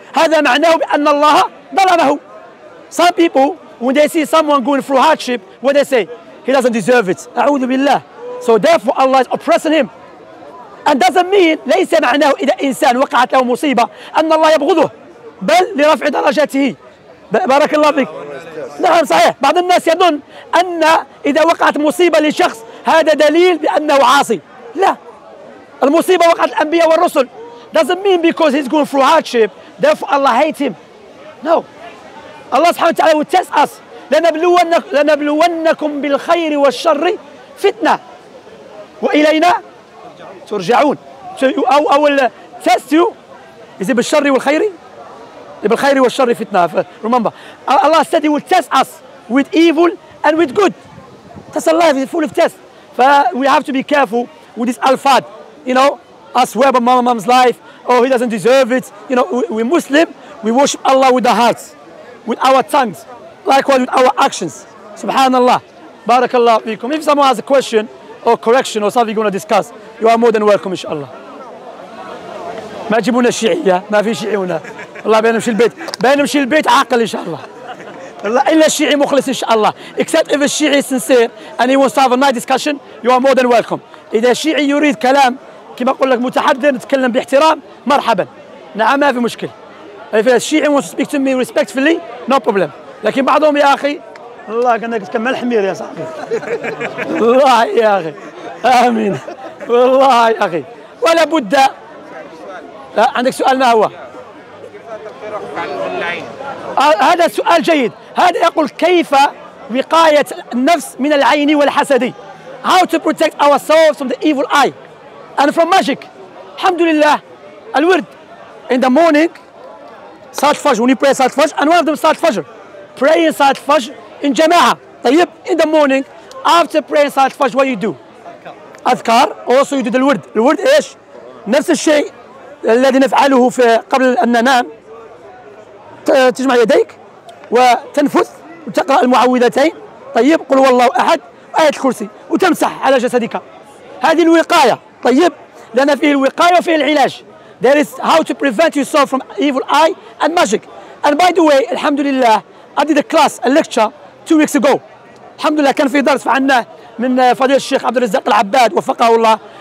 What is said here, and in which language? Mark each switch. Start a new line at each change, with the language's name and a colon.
Arabic: هذا معناه بأن الله ظلمه.
English: Some people, when they see someone going through hardship, what they say? He doesn't deserve it.
Arabic: أعوذ بالله.
English: So therefore Allah is oppressing him. And doesn't mean,
Arabic: ليس معناه إذا إنسان وقعت له مصيبة أن الله يبغضه. بل لرفع درجته. بارك الله فيك. نعم صحيح. بعض الناس يظن أن إذا وقعت مصيبة لشخص هذا دليل بأنه عاصي. لا. المصيبة وقعت الأنبياء والرسل.
English: Doesn't mean because he's going through hardship, therefore Allah hates him. No. Allah
Arabic: سبحانه وتعالى
English: will test us.
Arabic: لنبلونكم بالخير والشر فتنة. وإلينا ترجعون. أو
English: test you. Is it
Arabic: بالشر والخير؟ بالخير والشر فتنة.
English: Remember. Allah said he will test us with evil and with good. That's Allah is full of tests. We have to be careful with this alfad. You know, I swear by my mom's life. Oh, he doesn't deserve it. You know, we Muslim, we worship Allah with our hearts, with our tongues, likewise with our actions. Subhanallah. Barakallah fikum. If someone has a question or correction or something you want to discuss, you are more than welcome, inshallah.
Arabic: ما جيبونا الشيعية، ما في شيعي هنا. والله بين نمشي البيت، بين نمشي البيت عاقل inshallah. والله إلا الشيعي مخلص inshallah.
English: Except if a Shi'i is sincere and he wants to have a nice discussion, you are more than welcome.
Arabic: إذا الشيعي يريد كلام كما أقول لك متحدث نتكلم باحترام مرحبا. نعم ما في مشكل.
English: If a Shi'i wants to speak to me respectfully, no problem.
Arabic: لكن بعضهم يا أخي الله كأنك تكلم الحمير يا صاحبي. والله يا أخي آمين. والله يا أخي ولا بد. عندك سؤال ما هو؟ كيف تقرأ عن العين؟ هذا سؤال جيد. هذا يقول كيف وقاية النفس من العين والحسد.
English: How to protect ourselves from the evil eye. And from magic, alhamdulillah, al-wird. In the morning, salat fajr, when you pray salat fajr, and one of them salat fajr. Praying salat fajr in jama'ah. طيب, in the morning, after praying salat fajr, what you do? Adhkar. Adhkar, also you do al-wird. Al-wird ايش?
Arabic: نفس الشيء الذي نفعله في قبل أن ننام. تجمع يديك وتنفث وتقرأ المعوذتين. طيب, قل والله أحد آية الكرسي وتمسح على جسدك. هذه الوقاية. طيب, لأن فيه الوقاية وفيه العلاج.
English: There is how to prevent yourself from evil eye and magic. And by the way,
Arabic: الحمد لله,
English: I did a class, a lecture 2 weeks ago.
Arabic: الحمد لله كان في درس فعلناه من فضيلة الشيخ عبد الرزاق العباد وفقه الله.